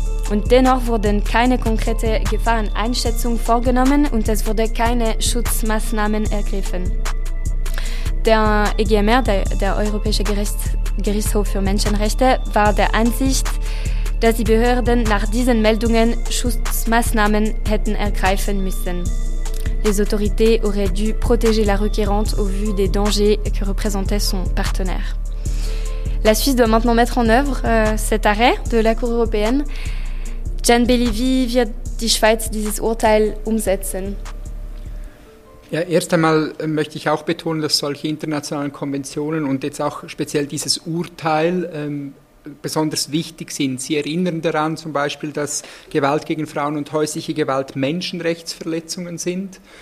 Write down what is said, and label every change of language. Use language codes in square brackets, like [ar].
[de] Und dennoch wurden keine konkrete Gefahreneinschätzung vorgenommen und es wurde keine Schutzmaßnahmen ergriffen. Der EGMR, der Europäische Gerichtshof für Menschenrechte, war der Ansicht, dass die Behörden nach diesen Meldungen Schutzmaßnahmen hätten ergreifen müssen. [fr] Les autorités auraient dû protéger la requérante au vu des dangers que représentait son partenaire. La Suisse doit maintenant mettre en œuvre cet arrêt de la Cour européenne. [de] Jan Bailey, wie wird die Schweiz dieses Urteil umsetzen? Ja, erst einmal möchte ich auch betonen, dass solche internationalen Konventionen und jetzt auch speziell dieses Urteil besonders wichtig sind. Sie erinnern daran zum Beispiel, dass Gewalt gegen Frauen und häusliche Gewalt Menschenrechtsverletzungen sind.